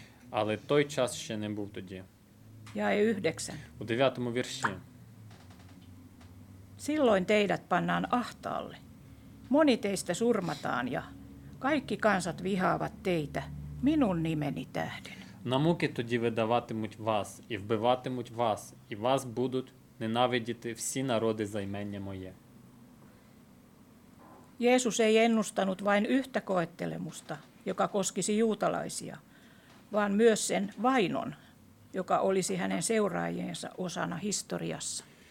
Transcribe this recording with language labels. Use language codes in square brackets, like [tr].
[uk] Але той час ще не був тоді. [fi] Jae 9. [uk] У 9-му вірші. [fi] Silloin teidät pannaan ahtaalle. Moni teistä surmataan ja kaikki kansat vihaavat teitä minun nimeni tähden. [uk] На муки тоді видаватимуть вас і вбиватимуть вас, і вас будуть ненавидіти всі народи за ім'я моє. [fi] Jeesus ei ennustanut vain yhtä koettelemusta, joka koskisi juutalaisia, vaan myös sen vainon, joka olisi hänen seuraajiensa osana historiassa.